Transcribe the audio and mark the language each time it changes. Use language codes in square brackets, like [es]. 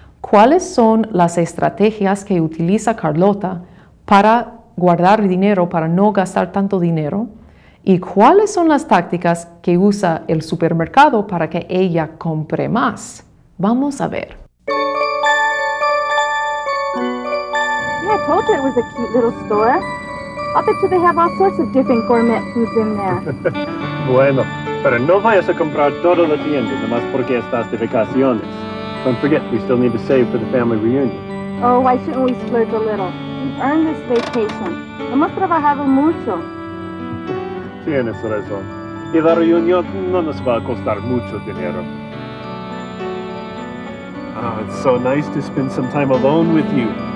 [es] ¿Cuáles son las estrategias que utiliza Carlota para guardar dinero, para no gastar tanto dinero? ¿Y cuáles son las tácticas que usa el supermercado para que ella compre más? Vamos a ver. [en] I told you it was a cute little store. I'll bet you they have all sorts of different gourmet foods in there. [es] Bueno, pero no vayas a comprar todo la tienda nomás porque estás de vacaciones. [en] Don't forget, we still need to save for the family reunion. Oh, why shouldn't we splurge a little? We've earned this vacation. [es] Hemos trabajado mucho. Tienes razón. Y la reunión no nos va a costar mucho dinero. [en] Oh, it's so nice to spend some time alone with you.